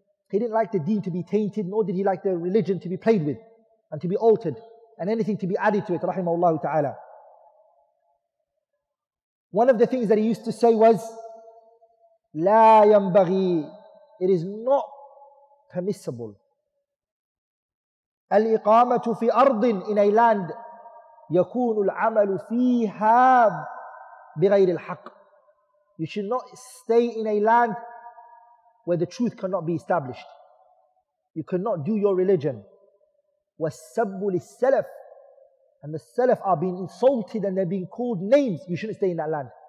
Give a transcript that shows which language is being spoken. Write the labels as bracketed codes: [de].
[en] He didn't like the deen to be tainted, nor did he like the religion to be played with and to be altered and anything to be added to it, rahimahullah ta'ala. One of the things that he used to say was, [ar] La yanbaghi, [en] it is not permissible. [ar] الإقامة في أرض [en] in a land [ar] يكون العمل فيها بغير الحق. [en] You should not stay in a land where the truth cannot be established. You cannot do your religion. [ar] والسب للسلف, [en] and the Salaf are being insulted and they're being called names. You shouldn't stay in that land.